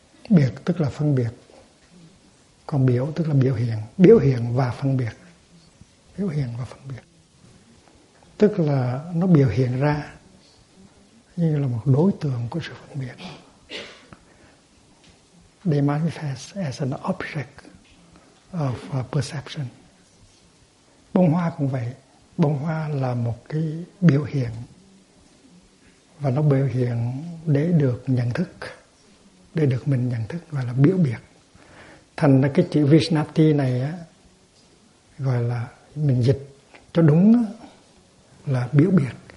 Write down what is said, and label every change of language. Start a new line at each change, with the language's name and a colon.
Vietnamese: Biệt tức là phân biệt. Còn biểu tức là biểu hiện. Biểu hiện và phân biệt. Biểu hiện và phân biệt. Tức là nó biểu hiện ra như là một đối tượng của sự phân biệt.
English: they manifest as an object of perception.
Vietnamese: Bông hoa cũng vậy. Bông hoa là một cái biểu hiện và nó biểu hiện để được nhận thức, để được mình nhận thức, gọi là biểu biệt. Thành ra cái chữ Vishnati này á, gọi là mình dịch cho đúng á, là biểu biệt.